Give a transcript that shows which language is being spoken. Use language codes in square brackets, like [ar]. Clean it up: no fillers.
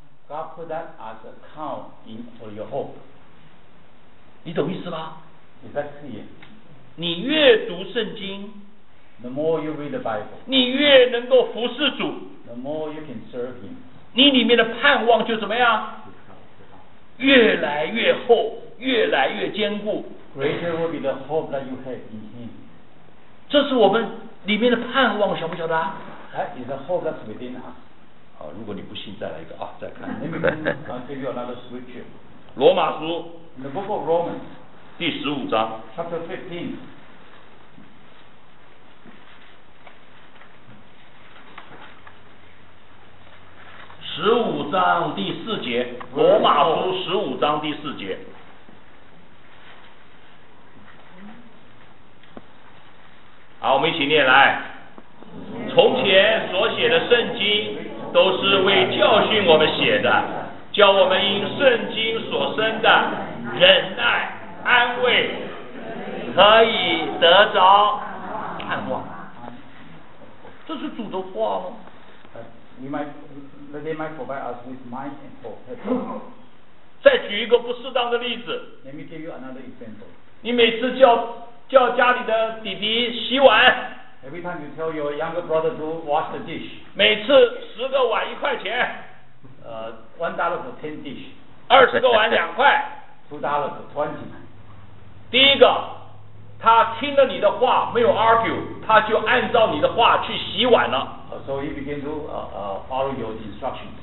[en] God put that as a account in for your hope. [zh] 你懂意思吗？ [en] Is that clear? [zh] 你越读圣经。 [en] The more you read the Bible. [zh] 你越能够服侍主。 [en] The more you can serve him. [zh] 你里面的盼望就怎么样？越来越厚，越来越坚固。 [en] Greater will be the hope that you have in Him. [zh] 这是我们里面的盼望，晓不晓得？ [en] That is the hope that's within us. [zh] 好，如果你不信，再来一个啊，再看。 [en] Let me give you another scripture. [zh] 罗马书。 [en] In the book of Romans. [zh] 第十五章。 [en] Chapter 15. [zh] 十五章第四节，罗马书十五章第四节。好，我们一起念来。从前所写的圣经都是为教训我们写的，叫我们因圣经所生的忍耐安慰可以得着盼望。这是主的话吗？你们 [en] that they might provide us with mind and hope. [zh] 再举一个不适当的例子。 [en] Let me give you another example. [zh] 你每次叫家里的弟弟洗碗。 [en] Every time you tell your younger brother to wash the dish. [zh] 每次十个碗一块钱。 [en] $1 for 10 dish. [zh] 二十个碗两块。 [en] $2 for 20. [zh] 第一个，他听了你的话，没有 [en] argue， [zh] 他就按照你的话去洗碗了。 [en] So he began to follow your instructions.